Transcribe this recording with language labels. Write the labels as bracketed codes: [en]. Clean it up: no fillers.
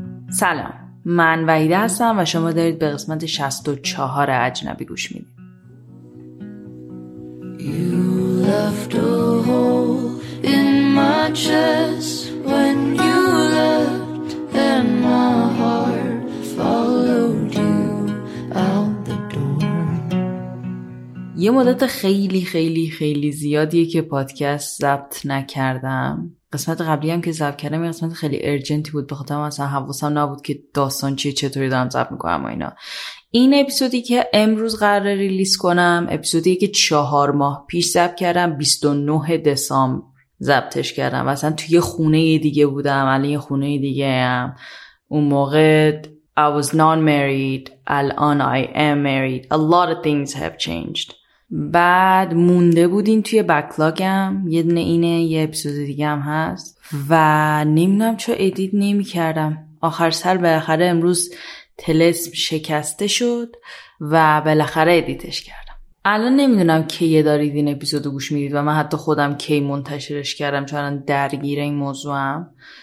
[fa] سلام، من وحیده هستم و شما دارید به قسمت 64 اجنبی گوش میدید. [en] You left a hole in my chest when you left and my heart followed you out the door. [fa] یه مدت خیلی خیلی خیلی زیادیه که پادکست ضبط نکردم. قسمت قبلی هم که ضبط کردم یه قسمت خیلی ارجنتی بود، بخاطر اصلا حواسم نبود که داستان چیه، چطوری دارم ضبط میکنم و اینا. این اپیزودی که امروز قراره ریلیز کنم اپیزودی که 4 ماه پیش ضبط کردم، 29 دسامبر ضبطش کردم و اصلا توی خونه دیگه بودم، الان یه خونه دیگه هم. اون موقع [en] I was non-married، [fa] الان [en] I am married. A lot of things have changed. [fa] بعد مونده بودین توی بکلاگم، یه دونه اینه، یه اپیزود دیگه هم هست و نمیدونم چرا ادیت نمی کردم. آخر سر بالاخره امروز تلسم شکسته شد و بالاخره ادیتش کردم. الان نمیدونم کی دارید این اپیزودو گوش میدید و من حتی خودم کی منتشرش کردم، چون الان درگیر این موضوعم.